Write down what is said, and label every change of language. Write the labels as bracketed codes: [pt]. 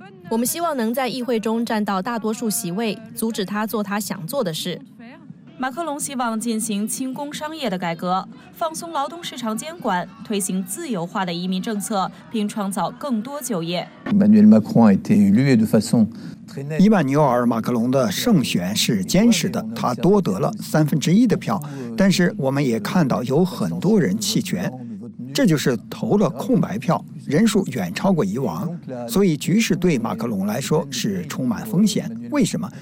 [zh] 我们希望能在议会中占到大多数席位，阻止他做他想做的事。马克龙希望进行轻工商业的改革，放松劳动市场监管，推行自由化的移民政策，并创造更多就业。 [fr] Emmanuel Macron a été élu de façon très nette。 [zh] 伊曼纽尔·马克龙的胜选是坚实的，他多得了1/3的票，但是我们也看到有很多人弃权，这就是投了空白票，人数远超过以往，所以局势对马克龙来说是充满风险。为什么？